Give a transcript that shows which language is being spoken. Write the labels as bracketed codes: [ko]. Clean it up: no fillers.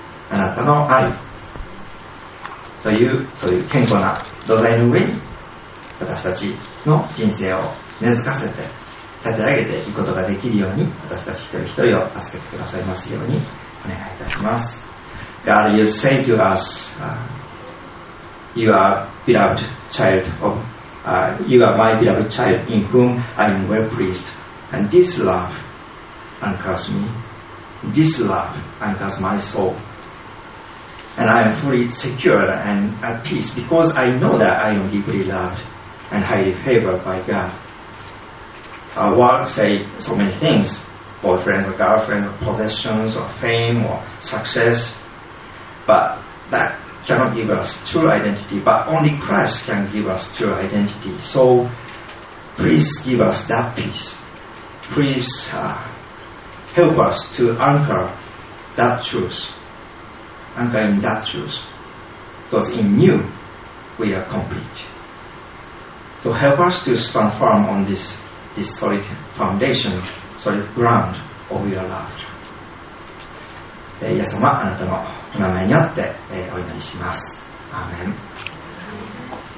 [ja] あなたの愛というそういう健康な土台の上に私たちの人生を根付かせて立て上げていくことができるように、私たち一人一人を助けてくださいますようにお願いいたします。 [en] God, you say to us, you are beloved child of, you are my beloved child in whom I am well pleased, and this love anchors me, this love anchors my soulAnd I am fully secure and at peace because I know that I am deeply loved and highly favored by God. Our world say so many things, boyfriends or girlfriends or possessions or fame or success, but that cannot give us true identity, but only Christ can give us true identity. So please give us that peace. Please help us to anchor that truth. Anchor in that truth, because in you we are complete. So help us to stand firm on this solid foundation, solid ground of your love. [ja] イエス様、あなたのお名前にあってお祈りします。アーメン。